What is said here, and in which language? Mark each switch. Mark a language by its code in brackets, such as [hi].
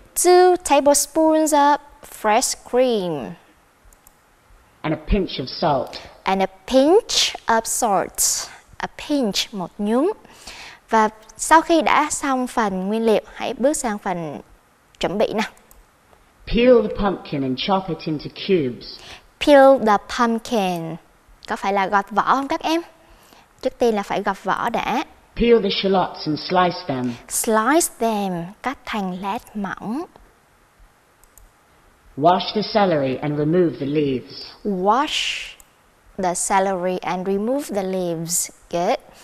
[en] 2 tablespoons of fresh cream. And a pinch of salt. And a pinch of salt. A pinch, [vi] một nhúm. Và sau khi đã xong phần nguyên liệu, hãy bước sang phần chuẩn bị nào. [en] Peel the pumpkin and chop it into cubes. Peel the pumpkin. [vi] Có phải là gọt vỏ không các em? Trước tiên là phải gọt vỏ đã. [en] Peel the shallots and slice them. Slice them, [vi] cắt thành lát mỏng. [en] Wash the celery and remove the leaves. Wash the celery and remove the leaves. Good.